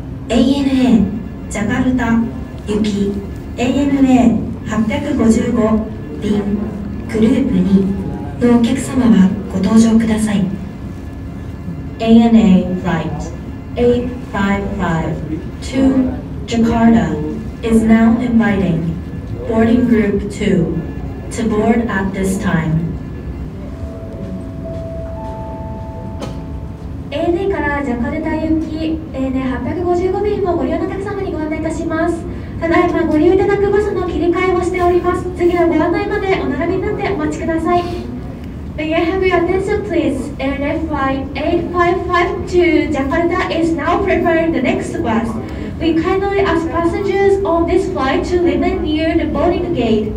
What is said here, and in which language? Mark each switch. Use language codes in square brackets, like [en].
[ja] ANA Jakarta 行き ANA855 便グループ2のお客様はご搭乗ください。 [en] ANA Flight 855 to Jakarta. Is now inviting boarding group 2 to board at this time. [ja] ANA からジャカルタ行き ANA855 便をご利用のお客様にご案内いたします。ただいまご利用いただく場所の切り替えをしております。次のご案内までお並びになってお待ちください。 [en] May I have your attention please? ANA flight 855 to Jakarta is now preparing the next busWe kindly ask passengers on this flight to remain near the boarding gate.